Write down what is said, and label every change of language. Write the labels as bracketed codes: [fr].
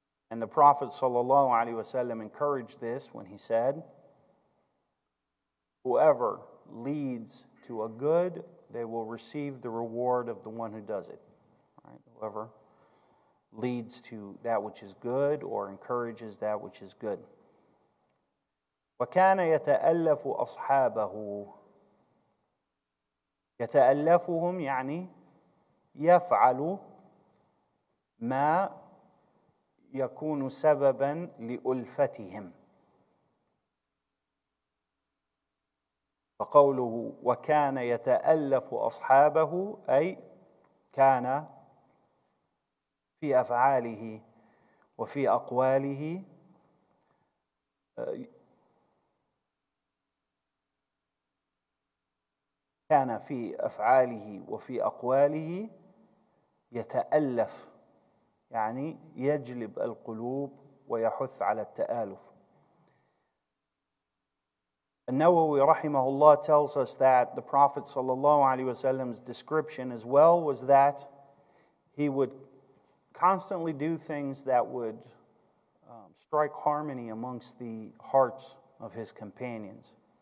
[en] And the Prophet sallallahu alaihi wasallam encouraged this when he said, whoever leads to a good, they will receive the reward of the one who does it. Right? Whoever leads to that which is good or encourages that which is good. [ar] وَكَانَ يَتَأَلَّفُ أَصْحَابَهُ يَتَأَلَّفُهُمْ يعني يَفْعَلُ مَا يَكُونُ سَبَبًا لِأُلْفَتِهِمْ فقوله وكان يتألف أصحابه أي كان في أفعاله وفي أقواله كان في أفعاله وفي أقواله يتألف يعني يجلب القلوب ويحث على التآلف. [en] An-Nawawi rahimahullah tells us that the Prophet sallallahu alaihi wasallam's description as well was that he would constantly do things that would strike harmony amongst the hearts of his companions.